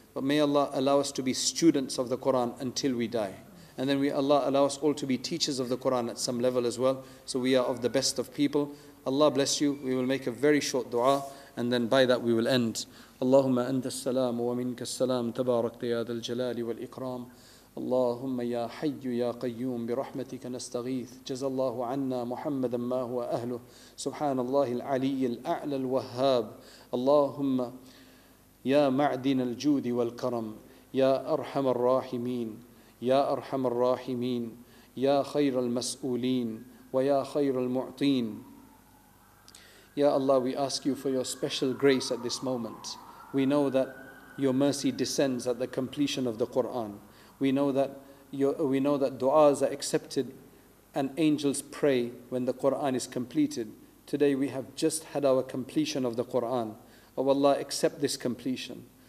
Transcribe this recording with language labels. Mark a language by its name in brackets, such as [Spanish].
[English] But may Allah allow us to be students of the Quran until we die. And then may Allah allow us all to be teachers of the Quran at some level as well. So we are of the best of people. Allah bless you. We will make a very short dua, and then by that we will end. [Arabic] Allahumma anta salam wa minka salam tabarakta ya dal jalali wal ikram. اللهم يا حي يا قيوم برحمتك نستغيث جزا الله عنا محمدا ما هو أهله سبحان الله العلي الأعلى الوهاب اللهم يا معدن الجود والكرم يا أرحم الراحمين يا أرحم الراحمين يا خير المسؤولين ويا خير المعطين يا الله [English] we ask you for your special grace at this moment. We know that your mercy descends at the completion of the Quran. We know that du'as are accepted and angels pray when the Qur'an is completed. Today we have just had our completion of the Qur'an. Oh Allah, accept this completion.